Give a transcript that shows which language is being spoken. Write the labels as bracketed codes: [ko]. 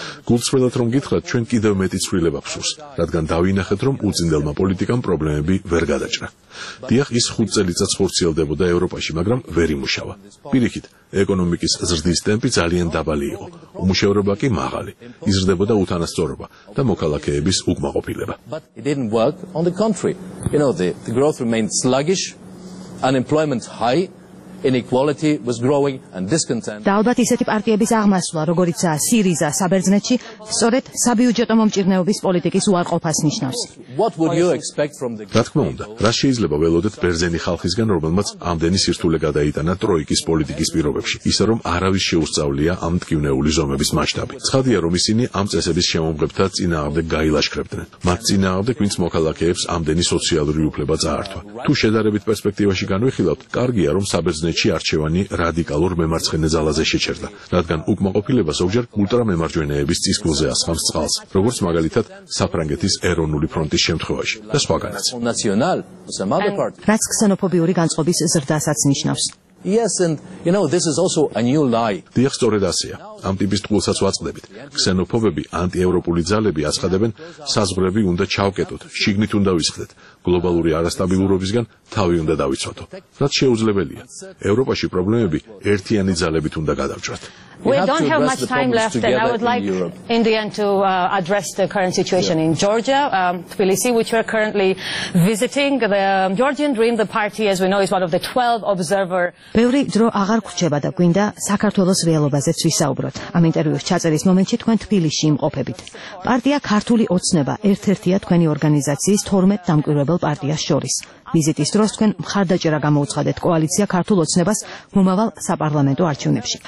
[ka] გულწრფელად რომ გითხრათ, ჩვენ კიდევ მეტი ცვლილება ფსურს, რადგან დავინახეთ, რომ უწინდელმა პოლიტიკამ პრობლემები ვერ გადაჭრა. დიახ, ის 5 წელიწადს ხორციელდებოდა ევროპაში, მაგრამ ვერ იმუშავა. პირიქით, ეკონომიკის ზრდის ტემპი ძალიან დაბალი იყო, უმუშევრობა კი მაღალი, იზრდებოდა უთანასწორობა და მოქალაქეების უკმაყოფილება. [en] But it didn't work, on the contrary. You know, the growth remained sluggish, unemployment high, inequality was growing and discontent. [ka] და ალბათ ისეთი პარტიების აღმასვლა, როგორიცაა სირიზა საბერძნეთში, სწორედ საბიუჯეტო მომჭირნეობის პოლიტიკის უარყოფას ნიშნავს. [en] What would you expect from the [ka] რა თქმა უნდა, რა შეიძლება ველოდეთ ბერძენი ხალხისგან, რომელმაც ამდენი სირთულე გადაიტანა ტროიკის პოლიტიკის პირობებში, ისე რომ არავის შეუსწავლია ამ ტკივნეული ზომების მასშტაბი. ცხადია, რომ ისინი ამ წესების შემომღებთა წინააღმდეგ გაილაშქრებდნენ. მათ წინააღმდეგ, ვინც მოქალაქეებს ამდენი სოციალური უფლება წაართვა. თუ შედარებით პერსპექტივაში განვიხილავთ, კარგია, რომ საბერძნეთში არჩევანი რადიკალურ მემარცხენე ძალაზე შეჩერდა, რადგან უკმაყოფილება ზოგჯერ ультраმემარჯვენეების წისქვილზე ასხამს წყალს, როგორც მაგალითად საფრანგეთის ეროვნული ფრონტის შემთხვევაში და სხვაგანაც. რაც ქსენოფობიური განწყობის ზრდასაც ნიშნავს. [en] Yes, and you know, this is also a new lie. [ka] დიახ, სწორედ ასეა. ამ ტიპის თულსაც ვაწყდებით. ქსენოფობები, ანტიევროპული ძალები ასხადებენ, საზღვრები უნდა ჩავკეტოთ, შიგნით უნდა ვისხდეთ, გლობალური არასტაბილურობისგან თავი უნდა დავიცვათო. რაც შეუძლებელია. ევროპაში პრობლემები ერთიანი ძალებით უნდა გადავჭრათ. [en] We don't have much time left and I would like in the end to address the current situation in Georgia, Tbilisi, which we're currently visiting. The Georgian Dream, the party, as we know, is one of the 12 observer. [ka] ბევრი დრო აღარ გრჩება და გვინდა საქართველოს ველობაზეც ვისაუბროთ. ამ ინტერვიუს ჩაწერის მომენტში თქვენ თბილისში იმყოფებით. პარტია ქართული ოცნება, ერთ-ერთია თქვენი ორგანიზაციის 12 დამკვირვებელ პარტიას შორის. ვიზიტის დროს თქვენ მხარდაჭერა გამოუცხადეთ კოალიცია ქართულ ოცნებას მომავალ საპარლამენტო არჩევნებში.